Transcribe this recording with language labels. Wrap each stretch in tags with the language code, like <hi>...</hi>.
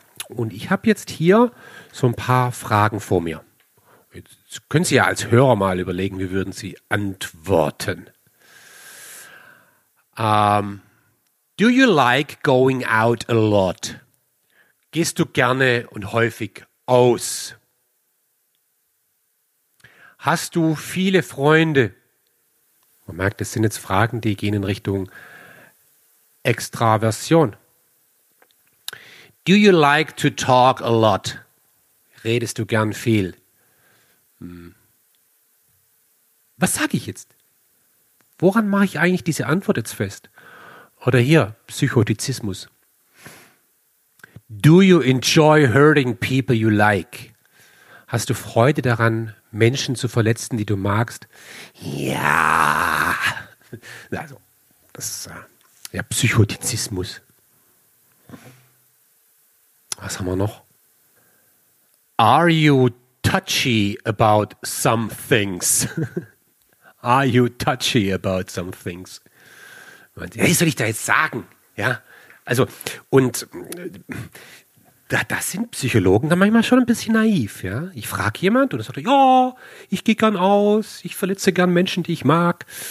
<de>Und ich habe jetzt hier so ein paar Fragen vor mir. Jetzt können Sie ja als Hörer mal überlegen, wie würden Sie antworten.</de> <en>Do you like going out a lot?</en> <de>Gehst du gerne und häufig aus? Hast du viele Freunde? Man merkt, das sind jetzt Fragen, die gehen in Richtung Extraversion.</de> <en>Do you like to talk a lot?</en> <de>Redest du gern viel? Was sage ich jetzt? Woran mache ich eigentlich diese Antwort jetzt fest? Oder hier, Psychotizismus.</de> <en>Do you enjoy hurting people you like?</en> <de>Hast du Freude daran, Menschen zu verletzen, die du magst? Ja. Also, das ist ja Psychotizismus. Was haben wir noch?</de> <en>Are you touchy about some things? Are you touchy about some things?</en> <de>Ja, was soll ich da jetzt sagen? Ja, also, und da sind Psychologen dann manchmal schon ein bisschen naiv. Ja, ich frage jemand und er sagt, ja, ich gehe gern aus, ich verletze gern Menschen, die ich mag.</de>